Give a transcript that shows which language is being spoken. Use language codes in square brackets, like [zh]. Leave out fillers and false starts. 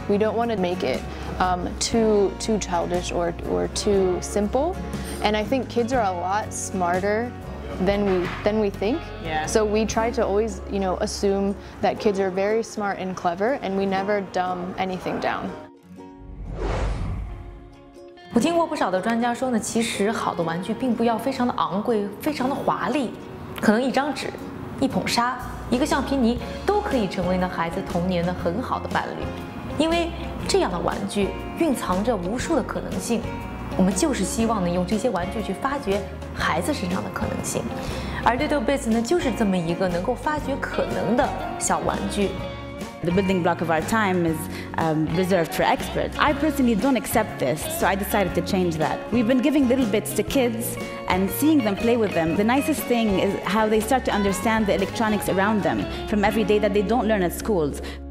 [en] We don't want to make it too childish or too simple. And I think kids are a lot smarter than we think. Yeah. So we try to always, you know, assume that kids are very smart and clever, and we never dumb anything down. [zh] 我听过不少的专家说呢，其实好的玩具并不要非常的昂贵，非常的华丽，可能一张纸、一捧沙一个橡皮泥都可以成为那孩子童年的很好的伴侣，因为这样的玩具蕴藏着无数的可能性。我们就是希望能用这些玩具去发掘孩子身上的可能性，而 LittleBits 呢，就是这么一个能够发掘可能的小玩具。 [en] The building block of our time is reserved for experts. I personally don't accept this, so I decided to change that. We've been giving little bits to kids and seeing them play with them. The nicest thing is how they start to understand the electronics around them from every day that they don't learn at schools.